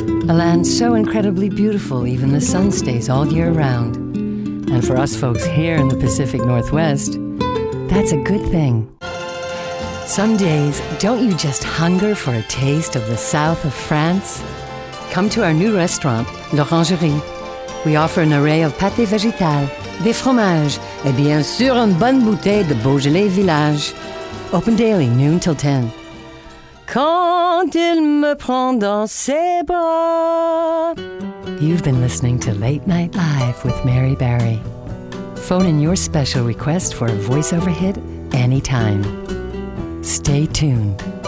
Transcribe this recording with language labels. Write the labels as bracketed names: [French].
[English] A land so incredibly beautiful, even the sun stays all year round. And for us folks here in the Pacific Northwest, that's a good thing. Some days, don't you just hunger for a taste of the south of France? Come to our new restaurant, L'Orangerie. We offer an array of [French] pâté végétal, des fromages, et bien sûr une bonne bouteille de Beaujolais Village. [English] Open daily, noon till 10. [French] Quand il me prend dans ses bras. [English] You've been listening to Late Night Live with Mary Barry. Phone in your special request for a voiceover hit anytime. Stay tuned.